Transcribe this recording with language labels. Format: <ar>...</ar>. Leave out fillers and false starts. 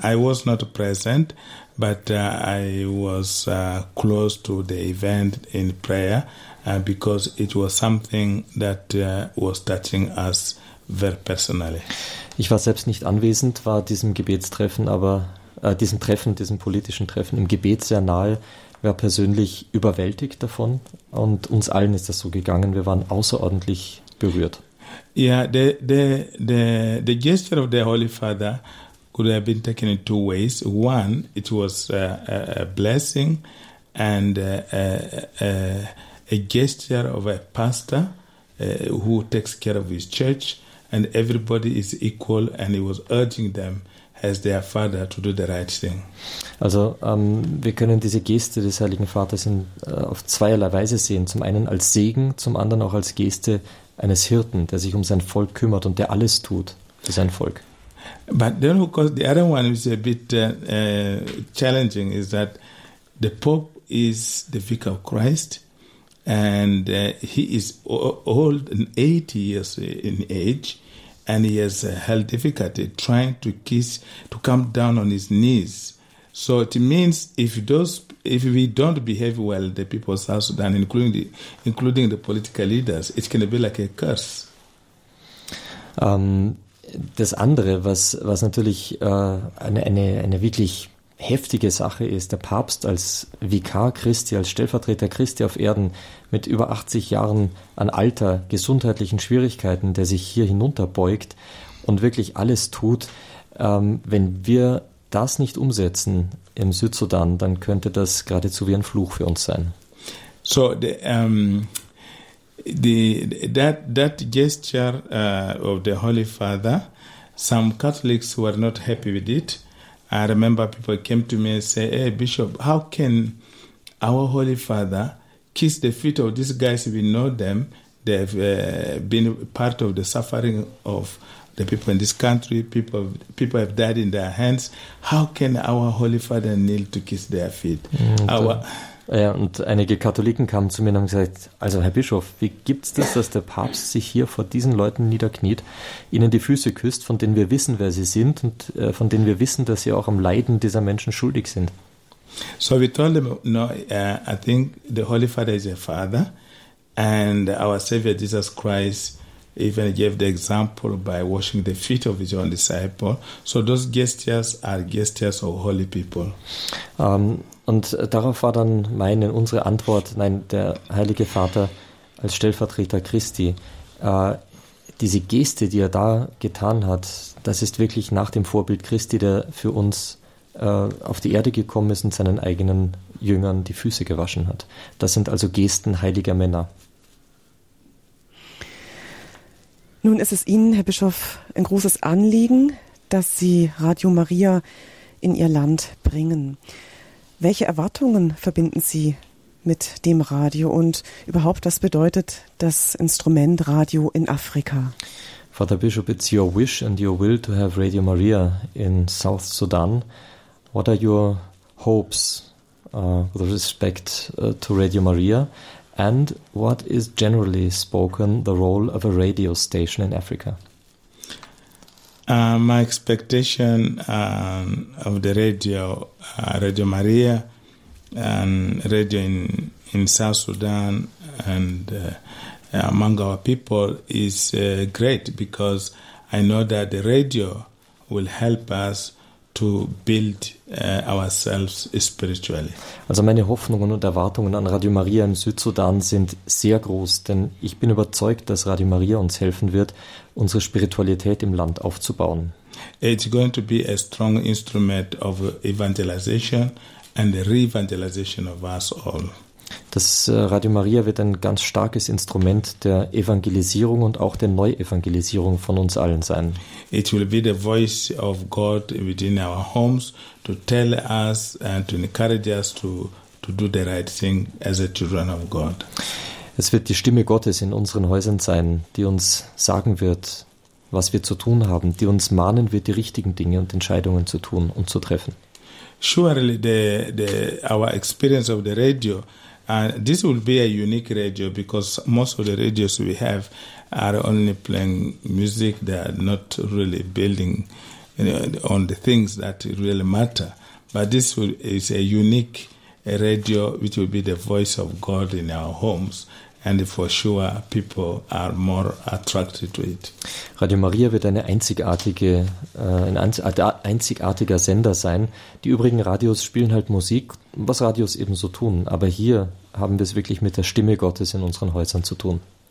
<en>I was not present, but I was close to the event in prayer. Because it was something that was touching us very personally.</en> <de>Ich war selbst nicht anwesend, war diesem Gebetstreffen, aber diesem Treffen, diesem politischen Treffen im Gebet sehr nahe, war persönlich überwältigt davon und uns allen ist das so gegangen. Wir waren außerordentlich berührt.</de> <en>Yeah, the gesture of the Holy Father could have been taken in two ways. One, it was a blessing and a gesture of a pastor who takes care of his church and everybody is equal and he was urging them as their father to do the right thing.</en> <de>Also wir können diese Geste des Heiligen Vaters auf zweierlei Weise sehen. Zum einen als Segen, zum anderen auch als Geste eines Hirten, der sich um sein Volk kümmert und der alles tut für sein Volk.</de> <en>But then of course the other one is a bit challenging is that the Pope is the vicar of Christ. And he is old and 80 years in age, and he has held difficulty trying to kiss, to come down on his knees. So it means if we don't behave well, the people of South Sudan, including the political leaders, it can be like a curse.</en> <de>Das andere, was natürlich eine wirklich heftige Sache ist, der Papst als Vikar Christi, als Stellvertreter Christi auf Erden mit über 80 Jahren an Alter, gesundheitlichen Schwierigkeiten, der sich hier hinunterbeugt und wirklich alles tut. Wenn wir das nicht umsetzen im Südsudan, dann könnte das geradezu wie ein Fluch für uns sein.</de> <en>So, that gesture of the Holy Father, some Catholics were not happy with it. I remember people came to me and say, "Hey, Bishop, how can our Holy Father kiss the feet of these guys if we know them? They have been part of the suffering of the people in this country. People have died in their hands. How can our Holy Father kneel to kiss their feet?</en> <de>Und einige Katholiken kamen zu mir und haben gesagt, also Herr Bischof, wie gibt's das, dass der Papst sich hier vor diesen Leuten niederkniet, ihnen die Füße küsst, von denen wir wissen, wer sie sind und von denen wir wissen, dass sie auch am Leiden dieser Menschen schuldig sind?</de> <en>So we told them, no, I think the Holy Father is a father and our Savior Jesus Christ even gave the example by washing the feet of his own disciple. So those gestures are gestures of holy people.</en> <de>Und darauf war dann meine, unsere Antwort, nein, der Heilige Vater als Stellvertreter Christi, diese Geste, die er da getan hat, das ist wirklich nach dem Vorbild Christi, der für uns auf die Erde gekommen ist und seinen eigenen Jüngern die Füße gewaschen hat. Das sind also Gesten heiliger Männer. Nun ist es Ihnen, Herr Bischof, ein großes Anliegen, dass Sie Radio Maria in Ihr Land bringen. Welche Erwartungen verbinden Sie mit dem Radio und überhaupt, was bedeutet das Instrument Radio in Afrika?</de> <en>Father Bishop, it's your wish and your will to have Radio Maria in South Sudan. What are your hopes with respect to Radio Maria? And what is generally spoken the role of a radio station in Africa? My expectation of the radio, Radio Maria, and radio in South Sudan and among our people is great because I know that the radio will help us to build ourselves spiritually.</en> <de>Also meine Hoffnungen und Erwartungen an Radio Maria im Südsudan sind sehr groß, denn ich bin überzeugt, dass Radio Maria uns helfen wird, unsere Spiritualität im Land aufzubauen.</de> <en>It's going to be a strong instrument of evangelization and the re-evangelization of us all.</en> <de>Das Radio Maria wird ein ganz starkes Instrument der Evangelisierung und auch der Neuevangelisierung von uns allen sein.</de> <en>It will be the voice of God within our homes to tell us and to encourage us to do the right thing as a children of God.</en> <de>Es wird die Stimme Gottes in unseren Häusern sein, die uns sagen wird, was wir zu tun haben, die uns mahnen wird, die richtigen Dinge und Entscheidungen zu tun und zu treffen.</de> <en>Surely our experience of the radio. And this will be a unique radio because most of the radios we have are only playing music. They are not really building, you know, on the things that really matter. But this is a unique radio which will be the voice of God in our homes. And for sure, people are more attracted to it.</en> <de>Radio Maria wird eine einzigartige, ein einzigartiger Sender sein. Die übrigen Radios spielen halt Musik, was Radios ebenso tun. Aber hier haben wir es wirklich mit der Stimme Gottes in unseren Häusern zu tun.</de>